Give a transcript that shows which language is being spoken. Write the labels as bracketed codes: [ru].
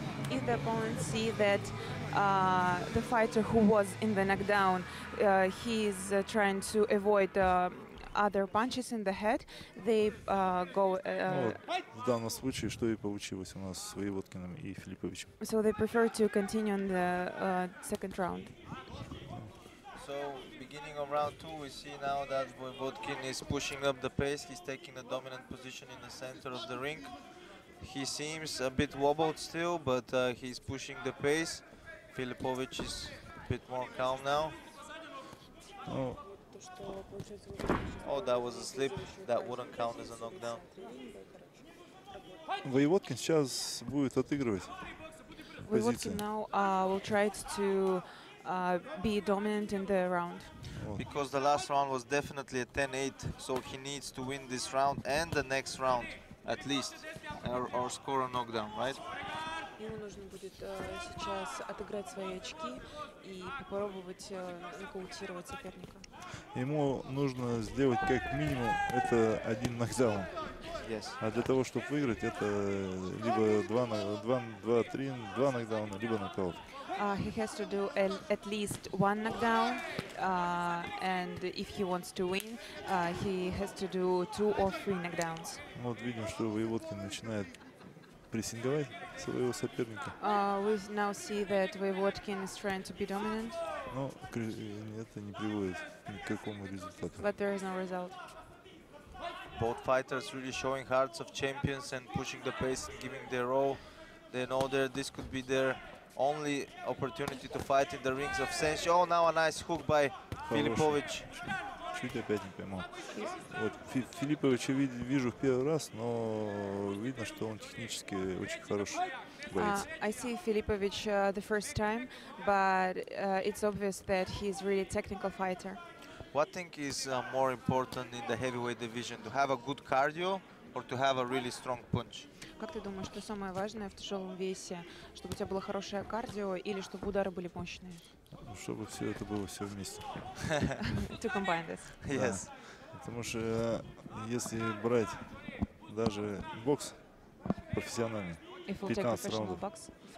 [en] If the opponents see that the fighter who was in the knockdown, he is trying to avoid other punches in the head, they go. [ru] В данном случае, что и получилось у нас с Воеводкиным и Филипповичем. [en] So they prefer to continue in the second round. So beginning of round two, we see now that Voevodkin is pushing up the pace. He's taking a dominant position in the center of the ring. He seems a bit wobbled still, but he's pushing the pace. Filipovic is a bit more calm now. Oh, that was a slip. That wouldn't count as a knockdown. [ru] Воеводкин сейчас будет отыгрывать позиции. [en] Voevodkin now will try to be dominant in the round. Because the last round was definitely a 10-8, so he needs to win this round and the next round. At least, or score a knockdown, right? [ru] Ему нужно будет сейчас отыграть свои очки и попробовать нокаутировать соперника. Ему нужно сделать как минимум это один нокдаун. [en] Yes. [ru] А для того, чтобы выиграть, это либо два нокдауна, либо нокаут. [en] He has to do at least one knockdown, and if he wants to win, he has to do two or three knockdowns. [ru] Вот видим, что Воеводкин начинает прессинговать своего соперника. [en] We now see that Voevodkin is trying to be dominant. [ru] Но это не приводит ни к какому результату. [en] But there is no result. Both fighters really showing hearts of champions and pushing the pace, giving their all. They know that this could be their only opportunity to fight in the rings of Senshi. Oh, now a nice hook by Filipovic. [ru] Чуть опять не поймал. Вот Филипповича вижу в первый раз, но видно, что он технически очень хороший боец. [en] I see Filipovic the first time, but it's obvious that he's really a technical fighter. What thing is more important in the heavyweight division? To have a good cardio or to have a really strong punch? [ru] Как ты думаешь, что самое важное в тяжелом весе, чтобы у тебя было хорошее кардио или чтобы удары были мощные? Чтобы все это было все вместе. [en] To combine this. Yes. [ru] Потому что если брать даже бокс профессиональный, 15 раундов.